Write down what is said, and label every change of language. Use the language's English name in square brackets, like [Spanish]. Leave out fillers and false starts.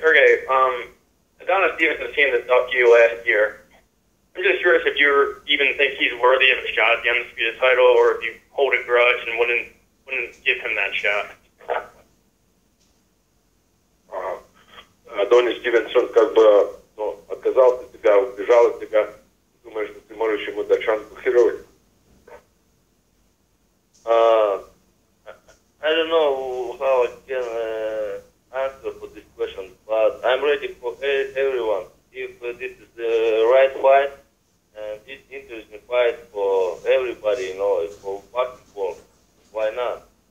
[English] Sergey, Adonis Stevenson seemed to duck you last year. I'm just curious if you even think he's worthy of a shot at the Undisputed title, or if you hold a grudge and wouldn't give him that shot. [Russian] Адонис Стивенсон как бы ну, отказал от тебя, убежал от тебя. Думаю, что ты можешь ему дать шанс блокировать. [English] I don't know how I can answer for this question, but I'm ready for everyone. If this is the right fight, and it's interesting fight for everybody, you know, for basketball, why not?